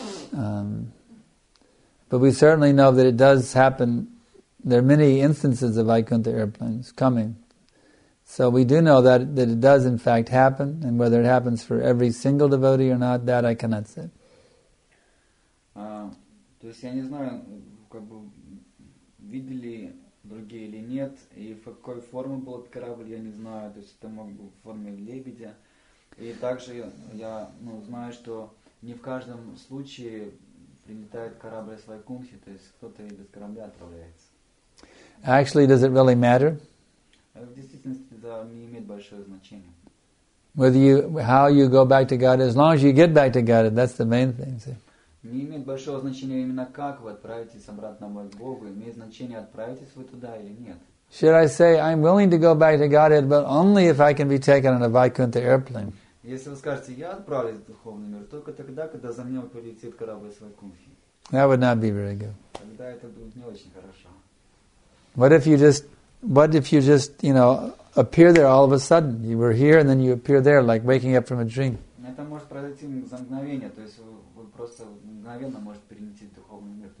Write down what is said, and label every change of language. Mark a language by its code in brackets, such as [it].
[en] But we certainly know that it does happen. There are many instances of Vaikuntha airplanes coming. So we do know that it does in fact happen, and whether it happens for every single devotee or not, that I cannot say. [ru] То есть я не знаю, как бы видели другие или нет, и в какой форме был корабль, я не знаю. То есть это мог быть в форме лебедя. И также я знаю, что не в каждом случае прилетает корабль с Вайкунхи, то есть кто-то и без корабля отправляется. [en] Actually, does it really matter? [ru] В действительности это не имеет большого значения. [en] Whether you, how you go back to God, as long as you get back to God, that's the main thing. See? [ru] Не имеет большого значения именно как вы отправитесь обратно к Богу. Имеет значение, отправитесь вы туда или нет. [en] Should I say, I'm willing to go back to God, but only if I can be taken on a Vaikuntha airplane? [ru] Если вы скажете, я отправлюсь в духовный мир, только тогда, когда за мной прилетит корабль с Вайкунхи. [en] That would not be very good. [ru] Тогда это будет не очень хорошо. [en] What if you just, appear there all of a sudden? You were here and then you appear there, like waking up from a dream. [ru] Это может произойти за мгновение, то есть вы просто мгновенно можете перенести в духовный мир.